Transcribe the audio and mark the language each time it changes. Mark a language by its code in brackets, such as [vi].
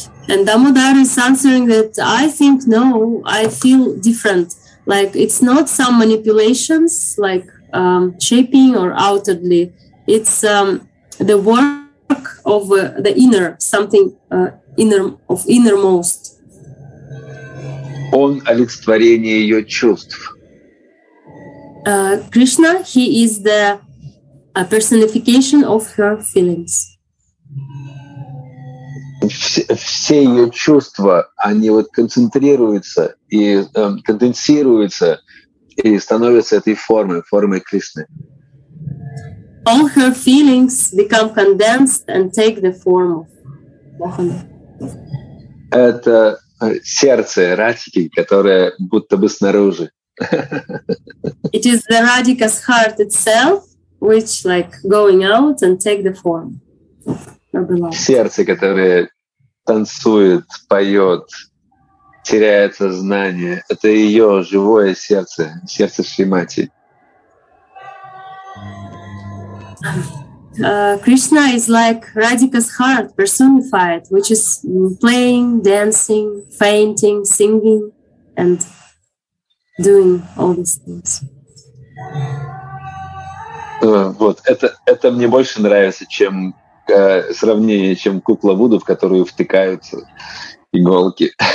[en] And Damodar is answering that I feel different. Like it's not some manipulations, like shaping or outwardly. It's the work of the inner, something innermost. [ru] Он олицетворение ее чувств. [en] Krishna, he is the personification of her feelings. [ru] Все ее чувства, они вот концентрируются и конденсируются и становятся этой формой Кришны. [en] All her feelings become condensed and take the form of Krishna. [ru] Это сердце Радхики, которое будто бы снаружи. [en] It is the Radhika's heart itself, which like going out and take the form of Krishna. [ru] Сердце, которое танцует, поет, теряет сознание. Это ее живое сердце, сердце Шримати. [en] Krishna is like Radhika's heart personified, which is playing, dancing, fainting, singing, and doing all these things. [ru] Вот, это мне больше нравится, чем сравнение, чем кукла Вуду, в которую втыкаются иголки.